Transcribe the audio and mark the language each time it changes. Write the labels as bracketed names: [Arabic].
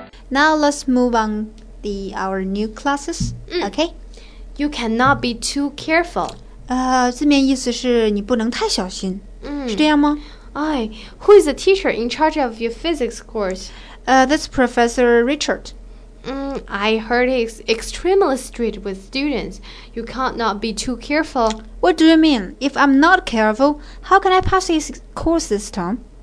[English] Now let's move on to our new classes, okay? You cannot be too careful. [Chinese] 字面意思是你不能太小心，是这样吗？ [English] 哎 ，Who is the teacher in charge of your physics course? That's Professor Richard. I heard he's extremely strict with students. You can't not be too careful. What do you mean? If I'm not careful, how can I pass his course this time?